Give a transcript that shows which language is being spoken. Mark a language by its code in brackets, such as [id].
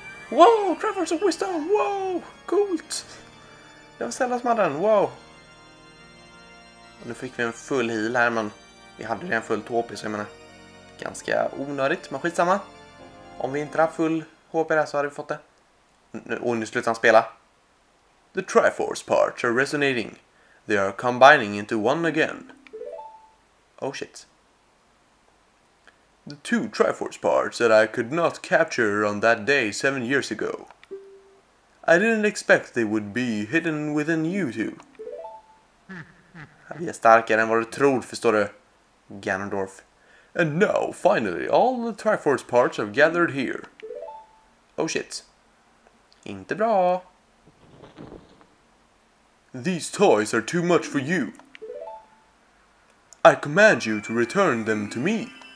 [sv] Wow! Triforce of Wisdom! Wow! Coolt! Det var Zelda som hade den. Wow! Och nu fick vi en full heal här, men vi hade redan full HP, så jag menar. Ganska onödigt, men skitsamma. Om vi inte hade full HP där så hade vi fått det. Nu slutar han spela. [en] The Triforce parts are resonating. They are combining into one again. Oh shit. The two Triforce parts that I could not capture on that day 7 years ago. I didn't expect they would be hidden within you two. [sv] Vi är starkare än vad du tror, förstår du, Ganondorf. [en] And now, finally, all the Triforce parts have gathered here. Oh shit. [sv] Inte bra. [en] These toys are too much for you. I command you to return them to me.